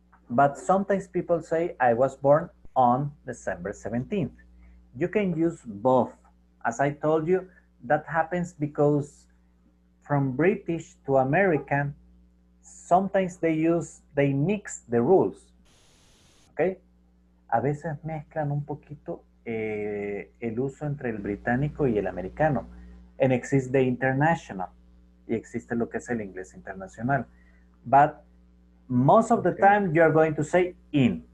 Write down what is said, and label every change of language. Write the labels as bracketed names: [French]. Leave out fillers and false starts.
[English] But sometimes people say, I was born on December 17th. You can use both. As I told you, that happens because from British to American, sometimes they mix the rules. Okay? [Spanish] A veces mezclan un poquito el uso entre el británico y el americano. [English] And exists the international. [Spanish] Y existe lo que es el inglés internacional. [English] But most of the time, you're going to say in.